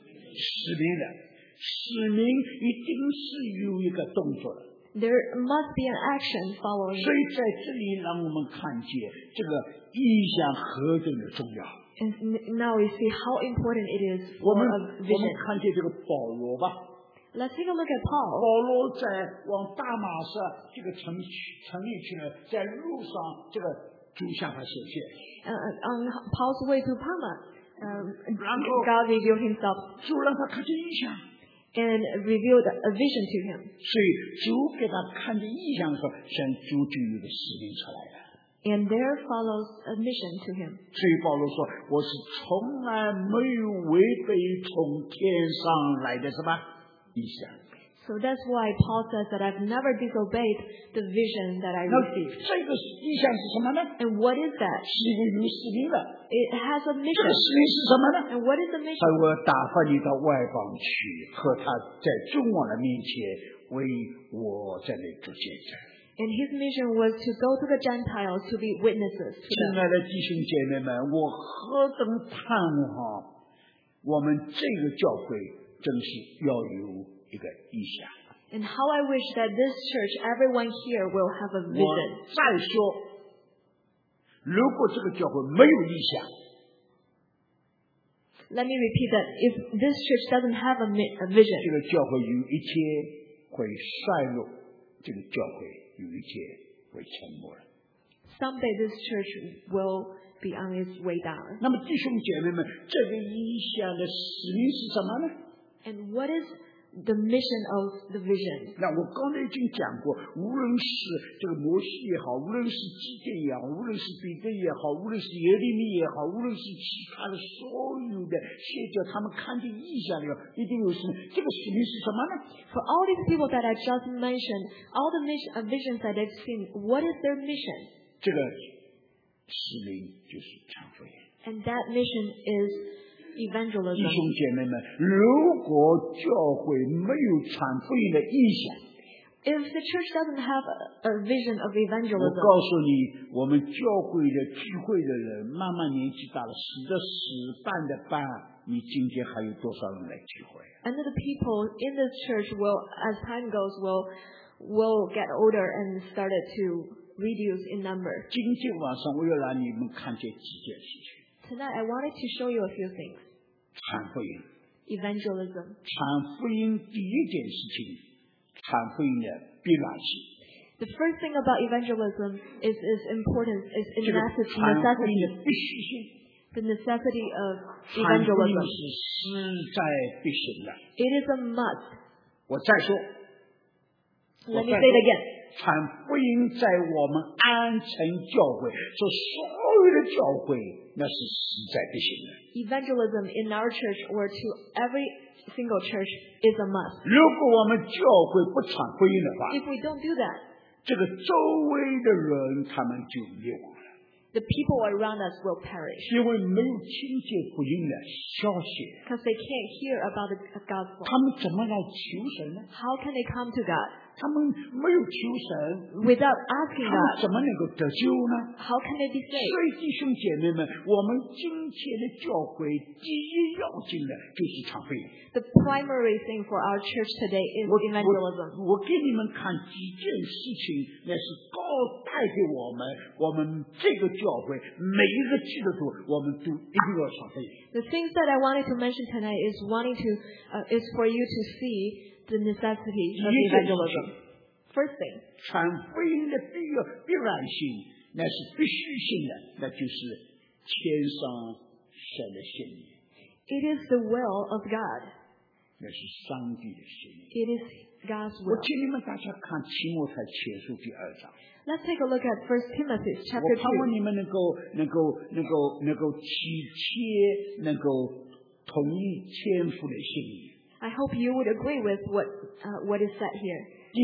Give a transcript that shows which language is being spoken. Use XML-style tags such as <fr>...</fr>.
<zh>使命的，使命一定是有一个动作的。</zh> <en>There must be an action following.</en> <zh>所以在这里让我们看见这个意象何等的重要。</zh> <en>And now we see how important it is for a vision.</en> <zh>我们看见这个保罗吧。</zh> <en>Let's take a look at Paul.</en> <zh>保罗在往大马士这个城里去呢，在路上这个主向他显现。</zh> <en>On Paul's way to Palma, God revealed himself.</en> <zh>就让他看见意象。</zh> <en>And revealed a vision to him.</en> <zh>所以主给他看见异象的时候，现在主就有个使命出来了。</zh> <en>And there follows a mission to him.</en> <zh>所以保罗说：“我是从来没有违背从天上来的什么异象。”</zh> <en>So that's why Paul says that I've never disobeyed the vision that I received.</en> <zh>这个异象是什么呢？</zh> <en>And what is that?</en> <zh>是一个有使命的。</zh> <en>It has a mission.</en> <zh>这个使命是什么呢？</zh> <en>And what is the mission?</en> <zh>他说我要打发你到外邦去，和他在众王的面前为我在那里做见证。</zh> <en>And his mission was to go to the Gentiles to be witnesses.</en> <zh>亲爱的弟兄姐妹们，我何等盼望，我们这个教会真是要有。一个意象。</zh> <en>And how I wish that this church, everyone here will have a vision.</en> <zh>我再说，如果这个教会没有意象，</zh> <en>Let me repeat that if this church doesn't have a vision,</en> <zh>这个教会有一天会衰落，这个教会有一天会沉没了。</zh> <en>Someday this church will be on its way down.</en> <zh>那么弟兄姐妹们，这个意象的使命是什么呢？</zh> <en>And what is The mission of the vision.</en> <zh>那我刚才已经讲过，无论是这个摩西也好，无论是基甸也好，无论是彼得也好，无论是耶利米也好，无论是其他的所有的先教，他们看见异象的时候，一定有什么？这个使命是什么呢</zh> <en>？For all these people that I just mentioned, all the visions that they've seen, what is their mission?</en> <zh>这个使命就是传福音。</zh> <en>And that mission is.</en> <zh>弟兄姐妹们，如果教会没有传福音的意向，</zh> <en>If the church doesn't have a vision of evangelism,</en> <zh>我告诉你，我们教会的聚会的人慢慢年纪大了，死的死，办的办，你今天还有多少人来聚会？</zh> <en>And the people in this church will, as time goes, will get older and started to reduce in number.</en> <zh>今天晚上我要让你们看见几件事情。</zh> <en>Tonight, I wanted to show you a few things.</en> <zh>传福音</zh> <en>Evangelism.</en> <zh>传福音第一件事情，传福音的必然性</zh> <en>The first thing about evangelism is its importance, its necessity.</en> <zh>这个传福音的必须性</zh> <en>The necessity of evangelism.</en> <zh>传福音是势在必行的</zh> <en>It is a must.</en> <zh>我再说。</zh> <en>Let me say it again.</en> <zh>传福音在我们安城教会，这所有的教会那是实在必行的。</zh> <en>Evangelism in our church or to every single church is a must.</en> <zh>如果我们教会不传福音的话</zh> <en>，If we don't do that,</en> <zh>这个周围的人他们就灭亡。</zh> <en>The people around us will perish.</en> <zh>因为没有听见福音的消息。</zh> <en>Because they can't hear about the gospel.</en> <zh>他们怎么来求神呢</zh> <en>？How can they come to God?</en> <zh>他们没有求神。</zh> <en>Without asking God.</en> <zh>他们怎么能够得救呢</zh> <en>？How can they be saved?</en> <zh>所以弟兄姐妹们，我们今天的教会第一要紧的就是传福音。</zh> <en>The primary thing for our church today is evangelism.</en> <zh>我给你们看几件事情，那是高带给我们，我们这个教会每一个基督徒，我们都一定要传福音。</zh> <en>The things that I wanted to mention tonight is wanting to, is for you to see the necessity of evangelism. First thing.</en> <zh>传福音的必然性，那是必须性的，那就是天上神的心意。</zh> <en>It is the will of God.</en> <zh>那是上帝的心意。</zh> <en>It is God's will.</en> <zh>我请你们大家看提摩太前书第二章。</zh> <en>Let's take a look at 1 Timothy chapter 2.</en> <zh>我盼望你们能够体贴，能够同意天父的心意。</zh> <en>I hope you would agree with what is said here.</en>